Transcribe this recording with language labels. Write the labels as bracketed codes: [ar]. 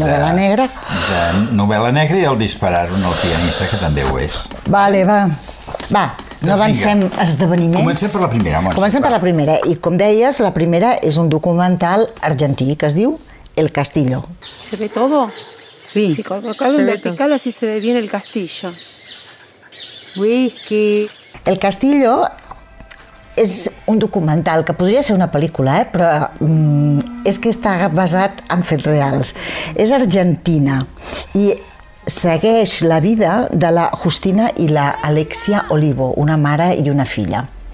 [ca] novel·la negra. De novel·la negra, i el Dispararon al pianista, que també ho és. Vale, va. Va, doncs no avancem, vinga. Esdeveniments. Comencem per la primera. Per la primera. I com deies, la primera és un documental argentí que es diu El Castillo. [es] Se ve todo. Sí. Si colocas en vertical, así se ve bien el castillo. Whisky. [ca] El Castillo... És un documental que podria ser una pel·lícula, però és que està basat en fets reals. És argentina i segueix la vida de la Justina i la Alexia Olivo, una mare i una filla.